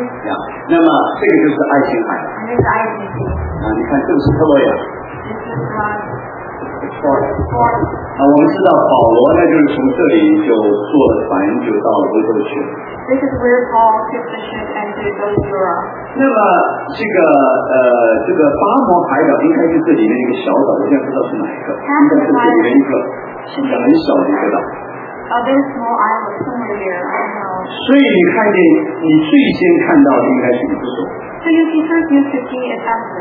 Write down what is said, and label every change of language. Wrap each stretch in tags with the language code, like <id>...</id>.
<zh>呀，那么这个就是爱琴海。</zh> <en>And it's Asian.</en> <zh>啊，你看这个是特洛亚。</zh> <en>This is Troy.</en> <zh>啊，我们知道保罗呢，就是从这里就坐船就到了欧洲去。</zh> <en>This is where Paul took the ship and he goes to Europe.</en> <zh>那么这个巴摩海岛应该是这里面一个小岛，我现在不知道是哪一个，应该是这里面一个很小的一个岛。</zh> <en>There's no island somewhere here. I don't know.</en> <zh>所以你看见你最先看到的应该是你不熟。</zh> <en>So you see first you should see it happen.</en>